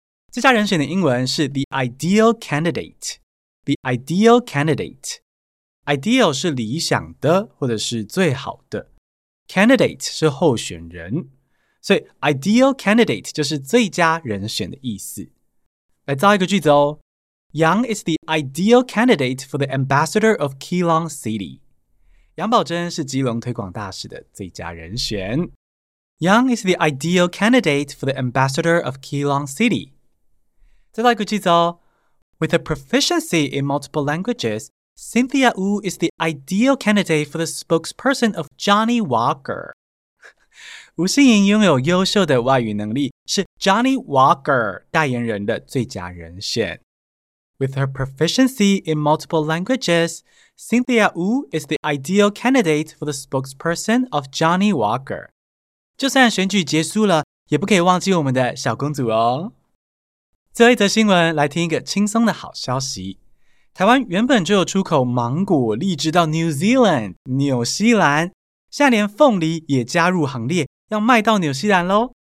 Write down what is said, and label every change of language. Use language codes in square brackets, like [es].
[zh] 最佳人选的英文是 The Ideal Candidate。The Ideal Candidate， Ideal 是理想的或者是最好的， Candidate 是候选人，所以 Ideal Candidate 就是最佳人选的意思。来造一个句子哦， [en] Yang is the ideal candidate for the ambassador of Keelong City。 [zh] 杨宝珍是基隆推广大使的最佳人选。 [en] Yang is the ideal candidate for the ambassador of Keelong City。 [zh] 再造一个句子哦， [en] With a proficiency in multiple languages, Cynthia Wu is the ideal candidate for the spokesperson of Johnny Walker。 [zh] 吴欣盈拥有优秀的外语能力，是 Johnny Walker 代言人的最佳人选。 [en] With her proficiency in multiple languages, Cynthia Wu is the ideal candidate for the spokesperson of Johnny Walker。 [zh] 就算选举结束了，也不可以忘记我们的小公主哦。最后一则新闻，来听一个轻松的好消息。台湾原本就有出口芒果、荔枝到 New Zealand、纽西兰，现在连凤梨也加入行列，要卖到纽西兰咯。